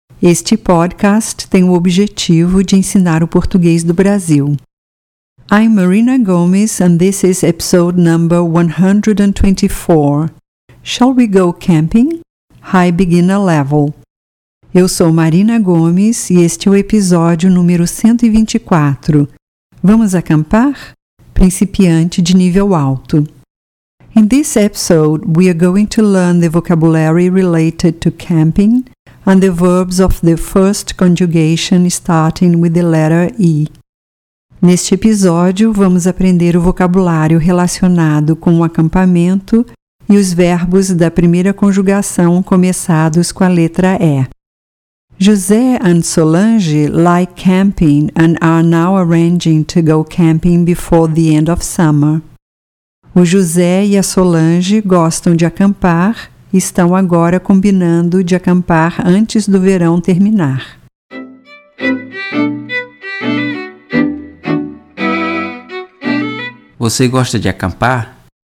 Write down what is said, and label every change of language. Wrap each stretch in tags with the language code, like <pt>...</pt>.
<pt>Este podcast tem o objetivo de ensinar o português do Brasil.</pt> <en>I'm Marina Gomes and this is episode number 124. Shall we go camping? High beginner level.</en> <pt>Eu sou Marina Gomes e este é o episódio número 124. Vamos acampar? Principiante de nível alto.</pt> <en>In this episode, we are going to learn the vocabulary related to camping and the verbs of the first conjugation starting with the letter E.</en> <pt>Neste episódio, vamos aprender o vocabulário relacionado com o acampamento e os verbos da primeira conjugação começados com a letra E.</pt> <en>José and Solange like camping and are now arranging to go camping before the end of summer.</en> <pt>O José e a Solange gostam de acampar e estão agora combinando de acampar antes do verão terminar. Você gosta de acampar?</pt>